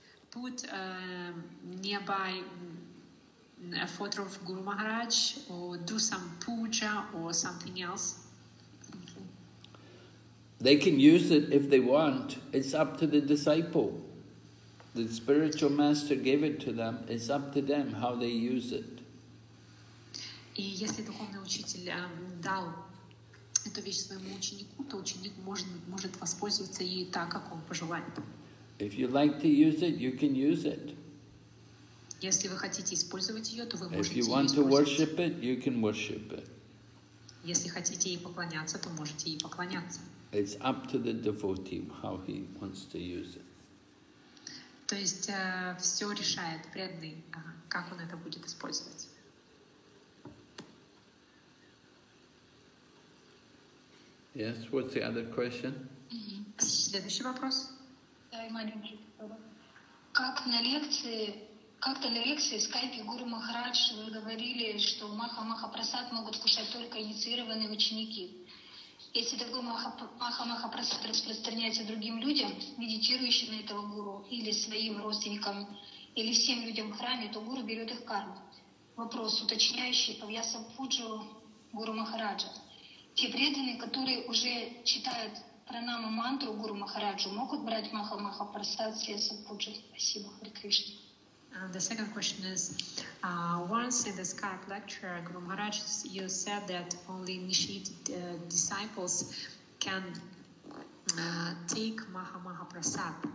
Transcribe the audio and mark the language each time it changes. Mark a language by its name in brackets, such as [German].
[English] Put nearby a photo of Guru Maharaj, or do some puja or something else? They can use it if they want. It's up to the disciple. The spiritual master gave it to them. It's up to them how they use it. [Russian] И если духовный учитель дал эту вещь своему ученику, то ученик может воспользоваться ей так, как он пожелает. [English] If you like to use it, you can use it. [Russian] Если вы хотите использовать ее, то вы можете использовать. [English] If you want to worship it, you can worship it. [Russian] Если хотите ей поклоняться, то можете ей поклоняться. [English] It's up to the devotee how he wants to use it. [Russian] То есть все решает преданный, как он это будет использовать. [English] Yes, what's the other question? [Russian] Следующий вопрос. Как-то на лекции в скайпе Гуру Махарадж вы говорили, что маха-маха-прасад могут кушать только инициированные ученики. Если такой маха-маха-прасад распространяется другим людям, медитирующим на этого гуру, или своим родственникам, или всем людям в храме, то гуру берет их карму. Вопрос, уточняющий по вьяса-пуджу Гуру Махараджа. Те преданные, которые уже читают пранама-мантру Гуру Махараджу, могут брать маха-маха-прасад с вьяса-пуджу? Спасибо, Хари Кришна. [English] The second question is, once in the Skype lecture, Guru Maharaj, you said that only initiated disciples can take Maha Maha Prasad.